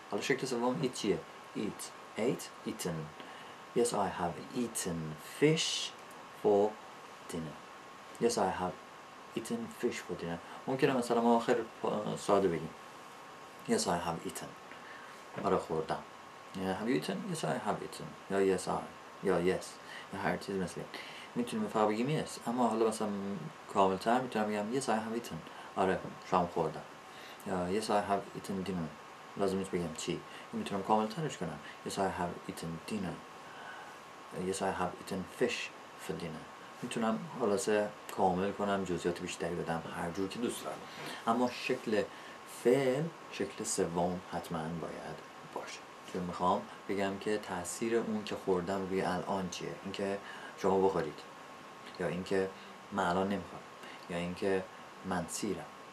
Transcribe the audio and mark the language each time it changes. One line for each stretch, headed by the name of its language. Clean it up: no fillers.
Persian: حالا شکل سوم
English: eat
Persian: چیه؟
English: eat، ate، eaten. yes I have eaten fish for dinner. yes I have eaten fish for dinner.
Persian: ممکنه مثلا ما آخر ساده بگیم
English: yes I have eaten،
Persian: برای خوردم.
English: Have you eaten؟ yes I have eaten.
Persian: یا
English: yes I،
Persian: یا
English: yes،
Persian: یا هر چیز مثل این میتونیم فقط بگیم yes. اما حالا مثلا کامل تر میتونم بگم
English: yes I have eaten،
Persian: آره شام خوردم.
English: yes I have eaten dinner،
Persian: لازم نیست بگم چی، میتونم کامل ترش کنم
English: yes I have eaten dinner، yes I have eaten fish for dinner.
Persian: میتونم خلاصه کامل کنم، جزئیات بیشتری بدم، هر جور که دوست دارم. اما شکل فعل، شکل سوم حتما باید باشه. چون میخوام بگم که تأثیر اون که خوردم روی الان چیه؟ اینکه شما بخورید، یا اینکه من الان نمیخورم، یا اینکه من سیرم.